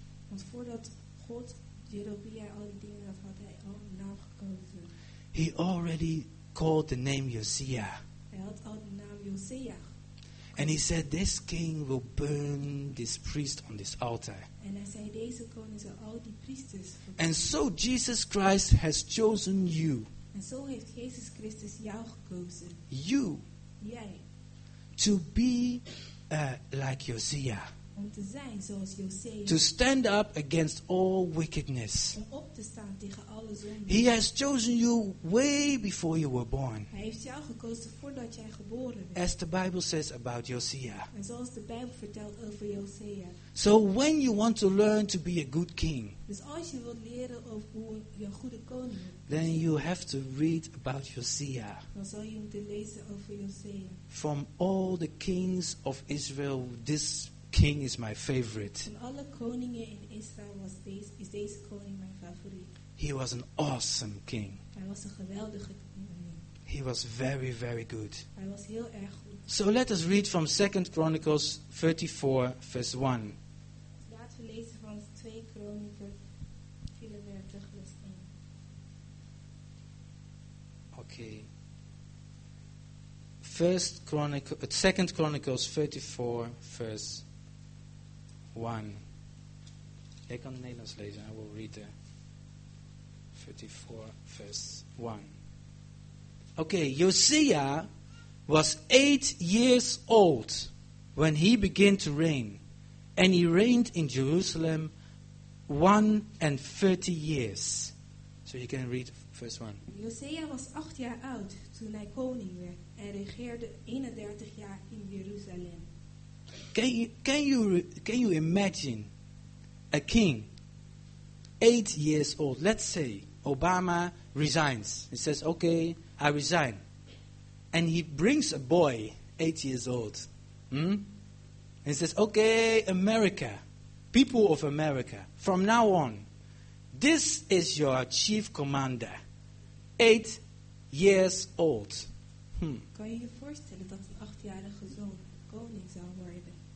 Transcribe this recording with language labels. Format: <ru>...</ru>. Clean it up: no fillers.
<nl>Want voordat God Jeroboam al die dingen had, had hij al een naam gekozen.</nl> <en>He already called the name Josiah.</en> <nl>Hij had al de naam Josiah.</nl> <en>And he said, this king will burn this priest on this altar.</en> <nl>En hij zei, deze koning zal al die priesters.</nl> <en>And so Jesus Christ has chosen you.</en> <nl>En zo heeft Jezus Christus jou gekozen.</nl> <en>You.</en> <nl>Jij.</nl> <en>To be like Josiah.</en> <nl>Om te zijn zoals Josiah.</nl> <en>To stand up against all wickedness.</en> <nl>Om op te staan tegen alle zonden.</nl> <en>He has chosen you way before you were born.</en> <nl>Hij heeft jou gekozen voordat jij geboren werd.</nl> <en>As the Bible says about Josiah.</en> <nl>En zoals de Bijbel vertelt over Josiah.</nl> <en>So when you want to learn to be a good king.</en> <nl>Dus als je wilt leren over hoe je een goede koning bent.</nl> <en>Then you have to read about Josiah.</en> <nl>Dan zal je moeten lezen over Josiah.</nl> <en>From all the kings of Israel, this king is my favorite.</en> <nl>Van alle koningen in Israël was deze, is deze koning mijn favoriet.</nl> <en>He was an awesome king.</en> <nl>Hij was een geweldige koning.</nl> <en>He was very, very good.</en> <nl>Hij was heel erg goed.</nl> <en>So let us read from 2 Chronicles 34, verse 1.</en> <nl>Laten we lezen van 2 Kronieken 34, vers 1. Oké.</nl> <en>2 Chronicles 34, vers 1.</en> <nl>Ik kan het Nederlands lezen.</nl> <en>I will read the 34 verse 1. Okay, Josiah was 8 years old when he began to reign. And he reigned in Jerusalem 130 years. So you can read verse 1.</en> <nl>Josiah was 8 jaar oud toen hij koning werd en regeerde 31 jaar in Jeruzalem.</nl> <en>Can you imagine a king 8 years old? Let's say Obama resigns. He says, okay, I resign. And he brings a boy 8 years old. And he says, okay, America, people of America, from now on, this is your chief commander. 8 years old.</en> <nl>Kan je je voorstellen dat een 8-jarige zoon koning zou worden?</nl>